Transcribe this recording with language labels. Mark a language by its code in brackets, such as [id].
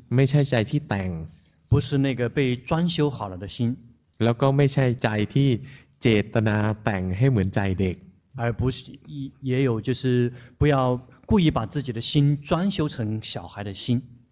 [th] ไม่ใช่ใจที่แต่ง [zh] 不是那个被装修好了的心 [th] แล้วก็ไม่ใช่ใจที่เจตนาแต่งให้เหมือนใจเด็ก [zh] 而不是也有就是不要故意把自己的心装修成小孩的心